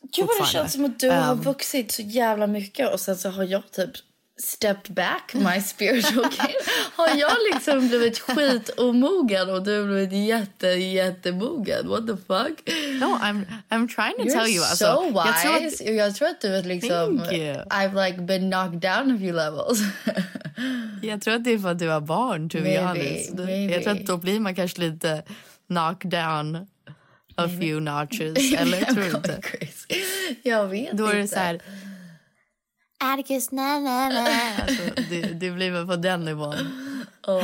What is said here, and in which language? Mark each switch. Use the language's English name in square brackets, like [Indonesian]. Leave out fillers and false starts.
[Swedish] Gud, det känns som att du har vuxit så jävla mycket. Och sen så har jag typ stepped back my spiritual game. Har jag liksom blivit skitomogen och du har blivit jätte, jättemogen? [English] What the fuck? No, I'm trying to You're tell you. You're so alltså, wise. [Swedish] Jag tror att du är liksom... [English] Thank you. I've like been knocked down a few levels. [Swedish] Jag tror att det är för att du har barn, to [English] maybe, be honest. [Swedish] Jag tror att då blir man kanske lite knocked down a maybe. Few notches. Eller tror du inte? Crazy. Jag vet inte. Då är det inte. Så här... Atticus, alltså, det blir väl på den nivån. Oh.